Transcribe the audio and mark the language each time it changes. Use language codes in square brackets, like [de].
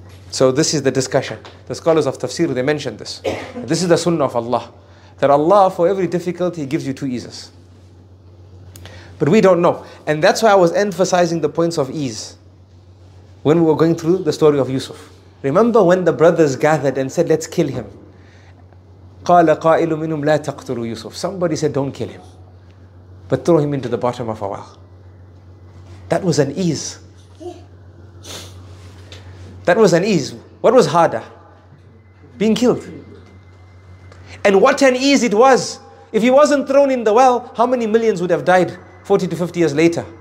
[en] So this is the discussion. The scholars of Tafsir, they mentioned this. This is the Sunnah of Allah. That Allah, for every difficulty, gives you two eases. But we don't know. And that's why I was emphasizing the points of ease when we were going through the story of Yusuf. Remember when the brothers gathered and said, let's kill him. [ar] قال قائل منهم لا تقتلوا يوسف. [en] Somebody said, don't kill him, but throw him into the bottom of a well. That was an ease. That was an ease. What was harder? Being killed. And what an ease it was. If he wasn't thrown in the well, how many millions would have died 40 to 50 years later?